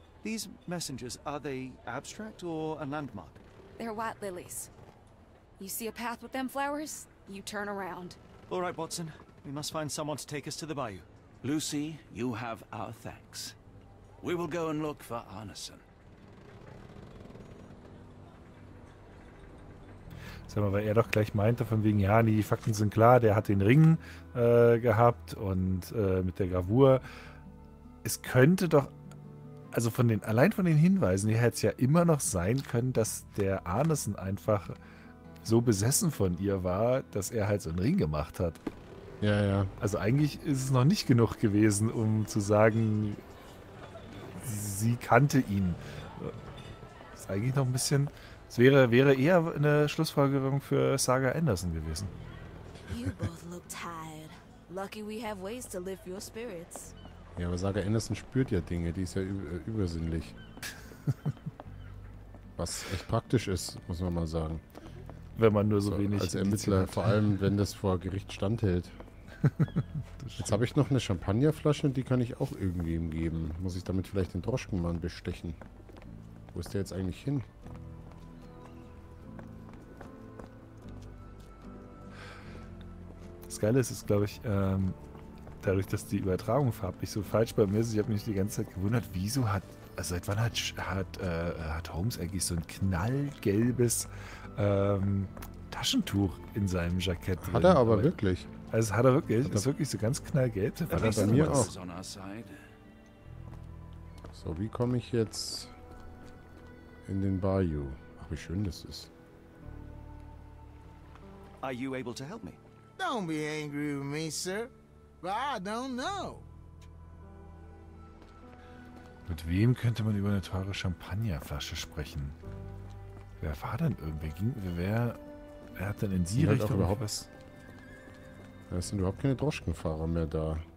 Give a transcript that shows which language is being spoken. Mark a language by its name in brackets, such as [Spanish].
[English] These messengers, are they abstract or a landmark? They're white lilies. You see a path with them flowers, you turn around. All right, Watson. We must find someone to take us to the bayou. Lucy, you have our thanks. We will go and look for Arneson. [German] Sag mal, weil er doch gleich meinte von wegen, ja, nee, die Fakten sind klar, der hat den Ring gehabt und mit der Gravur. Es könnte doch... Also allein von den Hinweisen, hier hätte es ja immer noch sein können, dass der Arneson einfach so besessen von ihr war, dass er halt so einen Ring gemacht hat. Ja, ja. Also eigentlich ist es noch nicht genug gewesen, um zu sagen, sie kannte ihn. Ist eigentlich noch ein bisschen. Es wäre eher eine Schlussfolgerung für Saga Anderson gewesen. [English] You both look tired. Lucky we have ways to lift your spirits. [German] Ja, aber Saga Anderson spürt ja Dinge, die ist ja übersinnlich. Was echt praktisch ist, muss man mal sagen. Wenn man nur so wenig... Als Ermittler, vor allem wenn das vor Gericht standhält. Jetzt habe ich noch eine Champagnerflasche und die kann ich auch irgendwem geben. Muss ich damit vielleicht den Droschkenmann bestechen? Wo ist der jetzt eigentlich hin? Das Geile ist, glaube ich, dadurch, dass die Übertragung farblich so falsch bei mir ist, ich habe mich die ganze Zeit gewundert, wieso hat, also seit wann hat Holmes eigentlich so ein knallgelbes Taschentuch in seinem Jackett drin? Hat er aber wirklich. Also hat er wirklich, hat er, ist wirklich so ganz knallgelb. War das bei mir auch. So, wie komme ich jetzt in den Bayou? Ach, wie schön das ist. [English] Are you able to help me? Don't be angry with me, sir. But I don't know. [German] Mit wem könnte man über eine teure Champagnerflasche sprechen? Wer war denn irgendwer? Wer hat denn in die Richtung überhaupt was? Es sind überhaupt keine Droschkenfahrer mehr da.